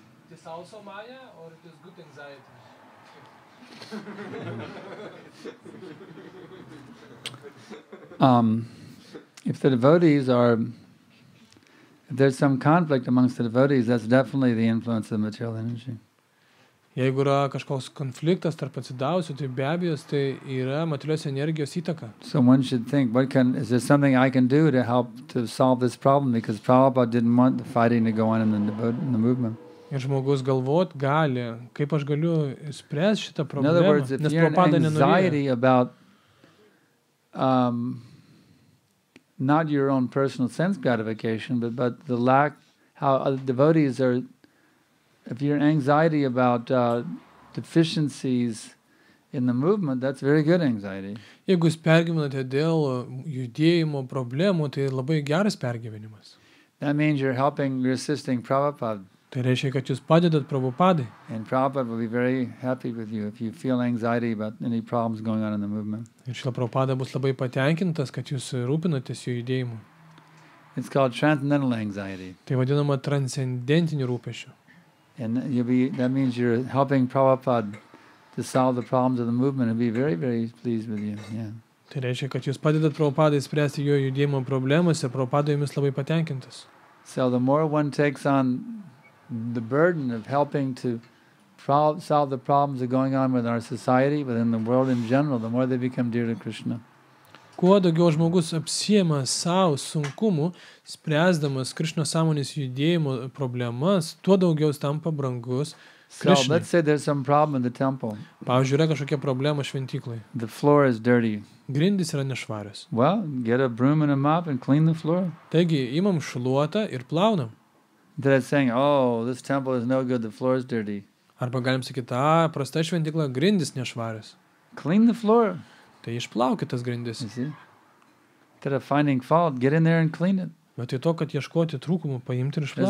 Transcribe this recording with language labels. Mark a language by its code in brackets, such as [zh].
[en] It is also maya or it is good anxiety? If the devotees are, if there's some conflict amongst the devotees, that's definitely the influence of the material energy. [lt] Jeigu yra kažkoks konfliktas tarp atsidavusių, tai be abejo, tai yra materialios energijos įtaka. [en] So one should think, what can, is there something I can do to help to solve this problem, because Prabhupada didn't want the fighting to go on in the movement. [lt] Ir žmogus galvot gali, kaip aš galiu spręsti šitą problemą, [en] in other words, if [lt] nes Prabhupada [en] anxiety about not your own personal sense gratification, but the lack, how other devotees are, if your anxiety about deficiencies in the movement, that's very good anxiety. [lt] Jeigu jūs pergyvenate dėl judėjimo problemų, tai labai geras pergyvenimas. [en] That means you're helping, you're assisting Prabhupada. [lt] Tai reiškia, kad jūs padedat Prabhupadai. [en] And Prabhupada will be very happy with you if you feel anxiety about any problems going on in the movement. [lt] Ir šila Prabhupada bus labai patenkintas, kad jūs rūpinatės jų judėjimu. [en] It's called transcendental anxiety. [lt] Tai vadinama transcendentiniu rūpešiu. [en] And that means you're helping Prabhupada to solve the problems of the movement and be very, very pleased with you. Yeah. [lt] Tai reiškia, kad jūs padedat Prabhupadai spręsti jo judėjimo problemas ir Prabhupada jumis labai patenkintas. [en] So the more one takes on the burden of helping to solve the problems that are going on with our society, within the world in general, the more they become dear to Krishna. [lt] Kuo daugiau žmogus apsiema savo sunkumų, spręsdamas Krišnos sąmonės judėjimo problemas, tuo daugiau tampa brangus Krišnai. Pavyzdžiui, yra kažkokia problema šventyklai. [en] The floor is dirty. [lt] Grindys yra nešvarios. [en] Well, get a broom and a mop and clean the floor. [lt] Taigi, imam šluotą ir plaunam. [en] They're saying, oh, this temple is no good, the floor is dirty. [lt] Arba galim sakyti, prasta šventykla, grindys nešvarios. [en] Clean the floor. [lt] Tai išplaukit tas grindis. [en] Instead of finding fault, get in there and clean it. [lt] Bet tai to, kad ieškoti trūkumų, paimti ir išplaukti.